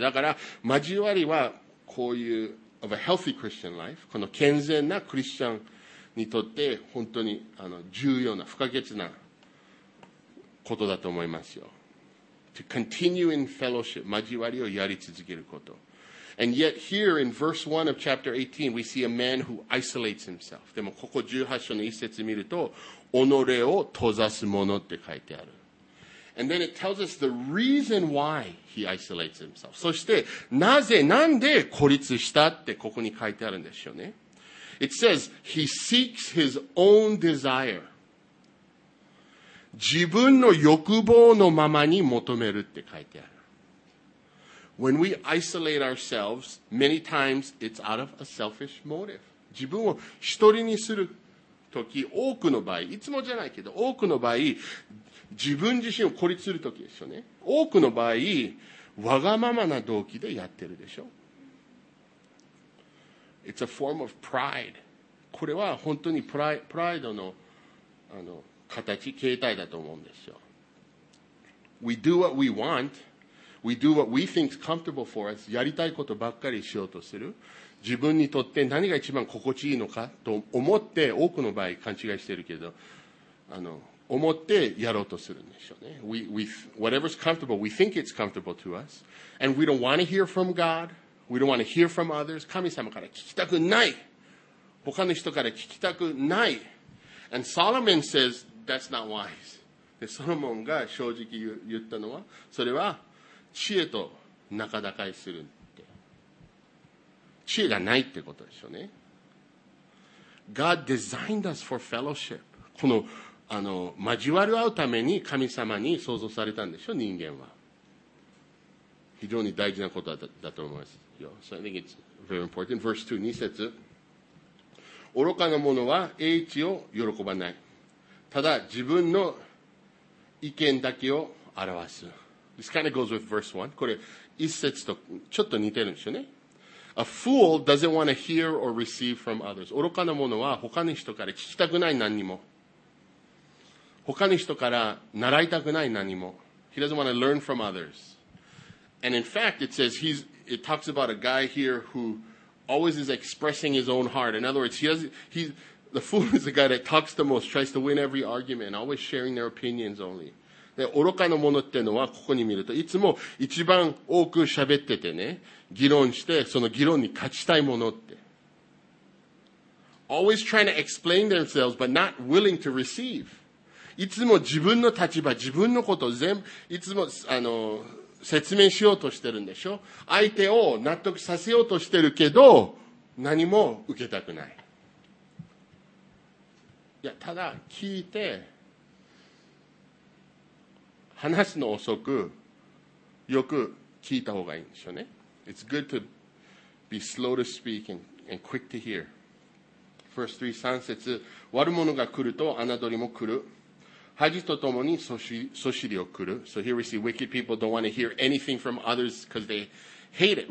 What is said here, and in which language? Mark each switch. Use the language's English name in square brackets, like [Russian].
[Japanese] だから交わりはこういう [English] of a healthy Christian life、 [Japanese] この健全なクリスチャンにとって本当に重要な不可欠なことだと思いますよ。 [English] To continue in fellowship、 [Japanese] 交わりをやり続けること。 [English] And yet here in verse 1 of chapter 18, we see a man who isolates himself. [Japanese] でもここ18章の一節見ると、己を閉ざすものって書いてある。 [English] And then it tells us the reason why he isolates himself. [Japanese] そして、なんで孤立したってここに書いてあるんでしょうね。 [English] It says, he seeks his own desire. [Japanese] 自分の欲望のままに求めるって書いてある。 [English] When we isolate ourselves, many times it's out of a selfish motive. [Japanese] 自分を一人にするとき、多くの場合、いつもじゃないけど、多くの場合、自分自身を孤立するときですよね。多くの場合、わがままな動機でやってるでしょ。 [English] It's a form of pride. [Japanese] これは本当にプライドの、形、形態だと思うんですよ。 [English] We do what we want. We do what we think is comfortable for us. [Japanese] やりたいことばっかりしようとする。自分にとって何が一番心地いいのかと思って、多くの場合勘違いしてるけど、思ってやろうとするんでしょうね。 [English] Whatever's comfortable, we think it's comfortable to us. And we don't want to hear from God. We don't want to hear from others. [Japanese] 神様から聞きたくない。他の人から聞きたくない。 [English] And Solomon says, that's not wise. [Japanese] で、ソロモンが正直言ったのは、それは知恵と仲高いするって。知恵がないってことでしょうね。 [English] God designed us for fellowship. [Japanese] この交わる合うために神様に創造されたんでしょ、人間は。非常に大事なことだと思いますよ。 [English] So I think it's very important. Verse 2, 2節。 [Japanese] 愚かな者は英知を喜ばない。ただ自分の意見だけを表す。 [English] This kind of goes with verse 1. [Japanese] これ、一節とちょっと似てるんですよね。 [English] A fool doesn't want to hear or receive from others. [Japanese] 愚かな者は他の人から聞きたくない何にも。他の人から習いたくない何も。 [English] He doesn't want to learn from others. And in fact, it says, it talks about a guy here who always is expressing his own heart. In other words, the fool is the guy that talks the most, tries to win every argument, always sharing their opinions only. [Japanese] で、愚かな者っていうのは、ここに見ると、いつも一番多く喋っててね、議論して、その議論に勝ちたいものって。 [English] Always trying to explain themselves, but not willing to receive. [Japanese] いつも自分の立場、自分のことを全部、いつも、説明しようとしてるんでしょ？相手を納得させようとしてるけど、何も受けたくない。いや、ただ、聞いて、話すの遅く、よく聞いた方がいいんでしょうね。 [English] It's good to be slow to speak and quick to hear. First 3, [Japanese] 3節、悪者が来ると、侮りも来る。恥とともに訴訟を送る。 [English] So here we see wicked people don't want to hear anything from others because they hate it.